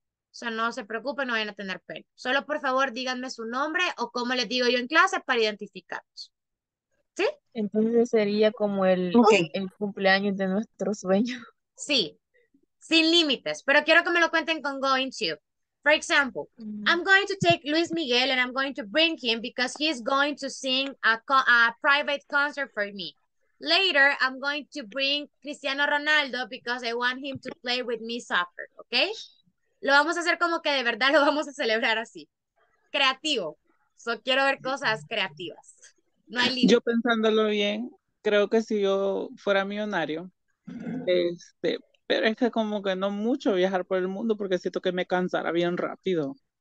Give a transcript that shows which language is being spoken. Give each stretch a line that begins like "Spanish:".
Spanish: O sea, no se preocupen, no vayan a tener pena. Solo, por favor, díganme su nombre o cómo les digo yo en clase para identificarlos. ¿Sí? Entonces sería como el cumpleaños de nuestro sueño. Sí, sin límites. Pero quiero que me lo cuenten con going to.
English: For example, I'm going to take Luis Miguel and I'm going to bring him because he's going to sing a private concert for me. Later, I'm going to bring Cristiano Ronaldo because I want him to play with me soccer.
Spanish: ¿Okay? Lo vamos a hacer como que de verdad lo vamos a celebrar así. Creativo. So, quiero ver cosas creativas. No hay límite. Yo pensándolo bien, creo que si yo fuera millonario, pero es que como que no mucho viajar por el mundo porque siento que me cansara bien rápido.